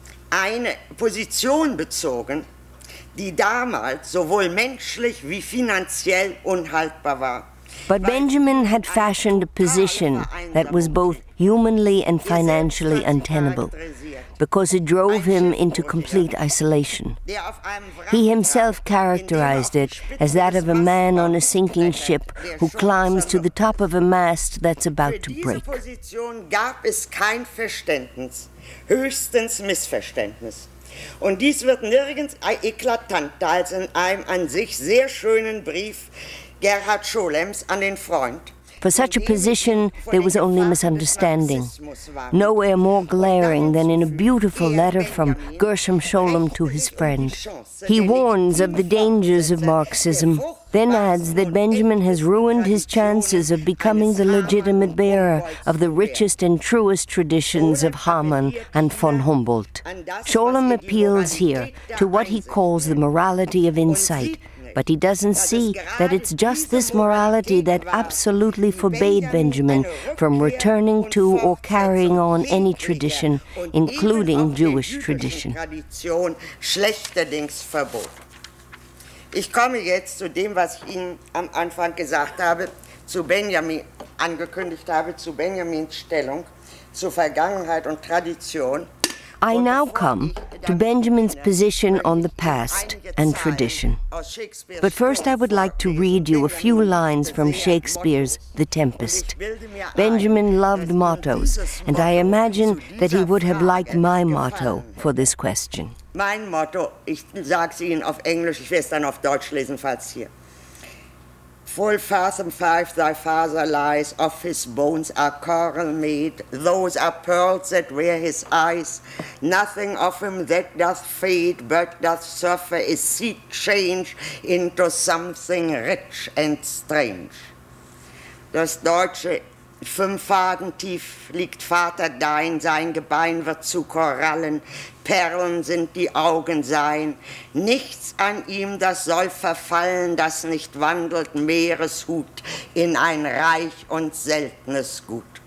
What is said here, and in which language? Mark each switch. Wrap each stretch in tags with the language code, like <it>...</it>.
<de>Eine Position bezogen, die damals sowohl menschlich wie finanziell unhaltbar war.</de> <en>But Benjamin had fashioned a position that was both humanly and financially untenable, because it drove him into complete isolation. He himself characterized it as that of a man on a sinking ship who climbs to the top of a mast that's about to break.</en> <de>Für diese Position gab es kein Verständnis, höchstens Missverständnis. Und dies wird nirgends eklatanter als in einem an sich sehr schönen Brief Gerhard Scholems an den Freund.</de> <en>For such a position, there was only misunderstanding. Nowhere more glaring than in a beautiful letter from Gershom Scholem to his friend. He warns of the dangers of Marxism, then adds that Benjamin has ruined his chances of becoming the legitimate bearer of the richest and truest traditions of Hamann and von Humboldt. Scholem appeals here to what he calls the morality of insight, but he doesn't see that it's just this morality that absolutely forbade Benjamin from returning to or carrying on any tradition, including Jewish tradition.</en> <de>Schlechterdings verbot. Ich komme jetzt zu dem, was ich Ihnen am Anfang gesagt habe, zu Benjamin angekündigt habe, zu Benjamins Stellung, zu Vergangenheit und Tradition.</de> <en>I now come to Benjamin's position on the past and tradition. But first I would like to read you a few lines from Shakespeare's The Tempest. Benjamin loved mottos, and I imagine that he would have liked my motto for this question.</en> <de>Mein Motto, ich sag's Ihnen auf Englisch, ich werde es dann auf Deutsch lesen, falls hier.</de> <en>Full fathom five thy father lies, of his bones are coral made, those are pearls that wear his eyes, nothing of him that doth fade, but doth suffer his seed change into something rich and strange.</en> <de>Das Deutsche, fünf Faden tief liegt Vater dein, sein Gebein wird zu Korallen, Perlen sind die Augen sein, nichts an ihm, das soll verfallen, das nicht wandelt Meereshut in ein reich und seltenes Gut.</de>